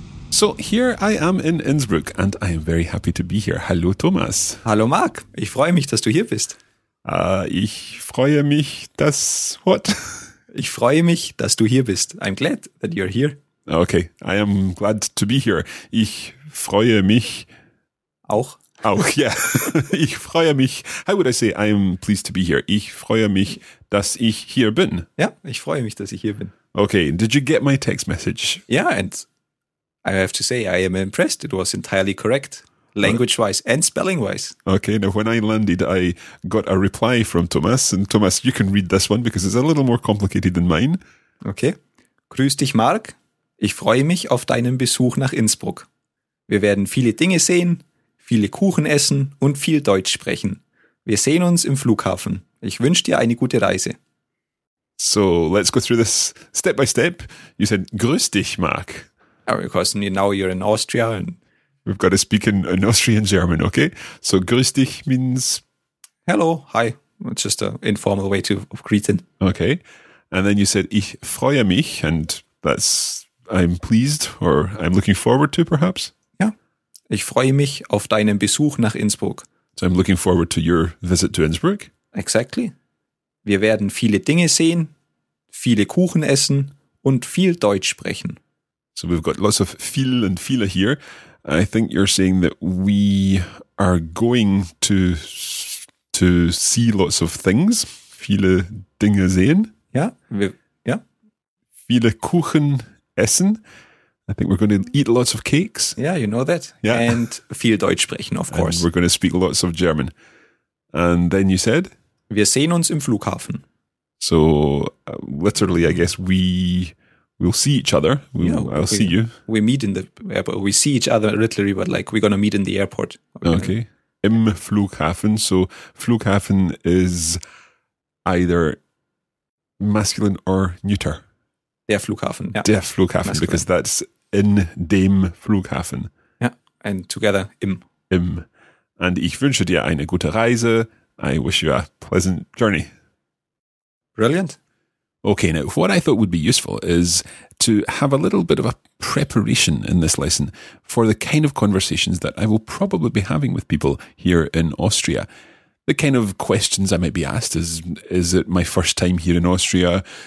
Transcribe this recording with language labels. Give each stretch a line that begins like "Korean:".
English: So, here I am in Innsbruck and I am very happy to be here.
German: Hallo Thomas! Hallo Marc! Ich freue mich, dass du hier bist. Ich freue mich, dass...
English: What?
German: Ich freue mich, dass du hier bist.
English: I'm glad that you're here. Okay, I am glad to be here.
German: Ich freue mich. Auch? Auch, yeah. Ich freue mich.
English: How would I say I am pleased to be here?
German: Ich freue mich, dass ich hier bin. Ja, ich freue mich, dass ich hier bin.
English: Okay, did you get my text message? Yeah, and I have to say I am impressed. It was entirely correct, language-wise and spelling-wise. Okay, now when I landed, I got a reply from Thomas. And Thomas, you can read this one, because it's a little more complicated than mine.
German: Okay. Grüß dich, Mark. Ich freue mich auf deinen Besuch nach Innsbruck. Wir werden viele Dinge sehen, viele Kuchen essen und viel Deutsch sprechen. Wir sehen uns im Flughafen. Ich wünsche dir eine gute Reise.
English: So, let's go through this step by step. You said,
German: grüß dich,
English: Mark. Oh, because now you're in Austria and... We've got to speak in Austrian German, okay? So,
German: grüß dich
English: means... Hello, hi. It's just an informal way of greeting. Okay. And then you said,
German: ich freue mich,
English: and that's, I'm pleased, or I'm looking forward to, perhaps? Yeah.
German: Ich freue mich auf deinen Besuch nach Innsbruck.
English: So, I'm looking forward to your visit to Innsbruck? Exactly.
German: Wir werden viele Dinge sehen, viele Kuchen essen und viel Deutsch sprechen.
English: So, we've got lots of viel and viele here. I think you're saying that we are going to see lots of things.
German: Viele Dinge sehen. Ja, wir, ja. Viele Kuchen essen.
English: I think we're going to eat lots of cakes. Yeah, you know that. Yeah. And viel Deutsch sprechen, of course. And we're going to speak lots of German. And then you said?
German: Wir sehen uns im Flughafen.
English: So literally, I guess we'll see each other. See you. We meet in the airport. We see each other literally, but like we're going to meet in the airport. Okay. Im Flughafen. So Flughafen is either masculine or neuter.
German: Der Flughafen. Yeah.
English: Der Flughafen, masculine. Because that's
German: in dem Flughafen.
English: Yeah. And together, im.
German: Im. And ich wünsche dir eine gute Reise.
English: I wish you a pleasant journey. Brilliant. Okay, now what I thought would be useful is to have a little bit of a preparation in this lesson for the kind of conversations that I will probably be having with people here in Austria. The kind of questions I might be asked is it my first time here in Austria?